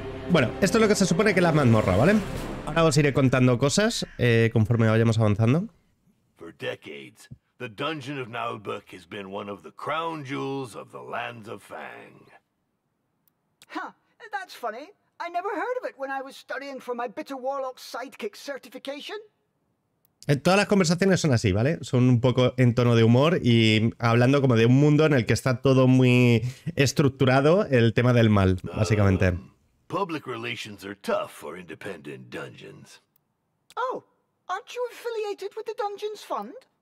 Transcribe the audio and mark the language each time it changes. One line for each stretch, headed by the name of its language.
Spanish: Bueno, esto es lo que se supone que es la mazmorra, ¿vale? Ahora os iré contando cosas conforme vayamos avanzando.
English: For decades, the dungeon of Nageulbux has been one of the crown jewels of the lands of Fang. Huh, that's funny. I never heard of it when I was studying for my bitter warlock sidekick certification.
Spanish: Todas las conversaciones son así, ¿vale? Son un poco en tono de humor y hablando como de un mundo en el que está todo muy estructurado el tema del mal, básicamente.
English: Public relations are tough for independent dungeons. Oh, aren't you affiliated with the Dungeons Fund?